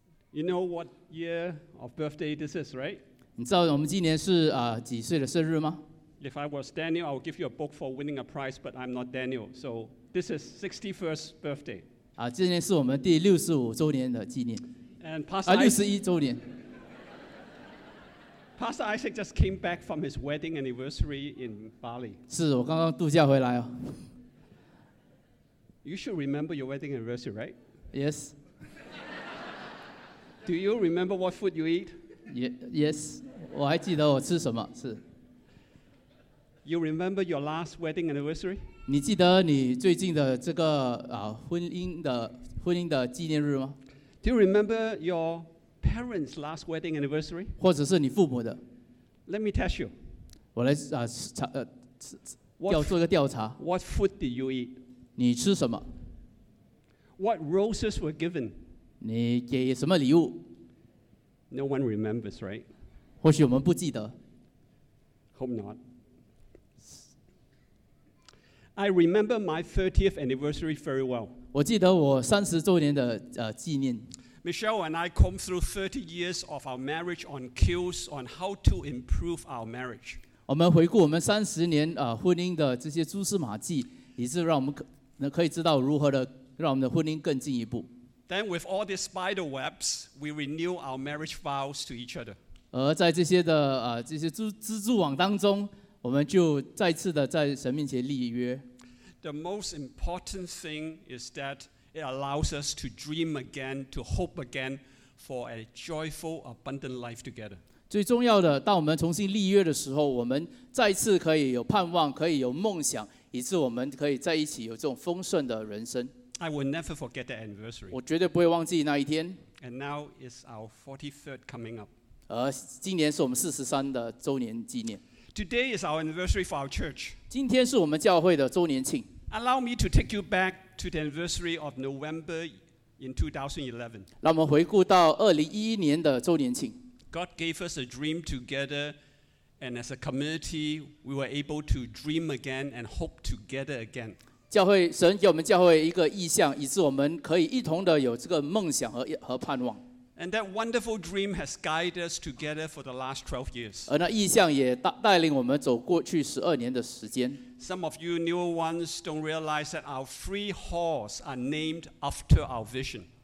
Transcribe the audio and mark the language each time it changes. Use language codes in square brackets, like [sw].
[en] You know what year of birthday this is, right? [zh] 你知道我们今年是, 几岁的生日吗? [en] If I was Daniel, I would give you a book for winning a prize, but I'm not Daniel. So this is 61st birthday. [zh] 今年是我们第65周年的纪念。 [en] And Pastor, Pastor Isaac just came back from his wedding anniversary in Bali. [zh] 是我刚刚度假回来哦. [en] You should remember your wedding anniversary, right? Yes. Do you remember what food you eat? [zh] Yes. 我还记得我吃什么，是. [en] You remember your last wedding anniversary? [zh] 你记得你最近的这个, 婚姻的纪念日吗? [en] Do you remember your parents' last wedding anniversary? [zh] 或者是你父母的? [en] Let me test you. [zh] 我来, 做一个调查。 [en] What food did you eat? [zh] 你吃什么? [en] What roses were given? [zh] 你给什么礼物? [en] No one remembers, right? [zh] 或许我们不记得。 [en] Hope not. I remember my 30th anniversary very well. [zh] 我记得我30周年的, 纪念。 [en] Michelle and I combed through 30 years of our marriage on cues on how to improve our marriage. [zh] 我们回顾我们30年, 婚姻的这些蛛丝马迹, 以致让我们可以知道如何的让我们的婚姻更进一步。 [en] Then with all these spider webs, we renew our marriage vows to each other. [zh] 而在这些的, 这些蜘蛛网当中, 我们就再次的在神面前立约。 [en] The most important thing is that it allows us to dream again, to hope again for a joyful, abundant life together. [zh] 最重要的，当我们重新立约的时候， 我们再次可以有盼望，可以有梦想， 以致我们可以在一起有这种丰盛的人生。 [en] I will never forget that anniversary. [zh] 我绝对不会忘记那一天。 [en] And now is our 43rd coming up. [zh] 而今年是我们43的周年纪念。 [en] Today is our anniversary for our church. [zh] 今天是我们教会的周年庆。 [en] Allow me to take you back to the anniversary of November in 2011. [zh] 让我们回顾到2011年的周年庆。 [en] God gave us a dream together, and as a community, we were able to dream again and hope together again. [zh] 教会, 神给我们教会一个意向, 以致我们可以一同的有这个梦想和盼望。 [en] And that wonderful dream has guided us together for the last 12 years. [zh] 而那意向也带领我们走过去12年的时间。 [en] Some of you newer ones don't realize that our three halls are named after our vision.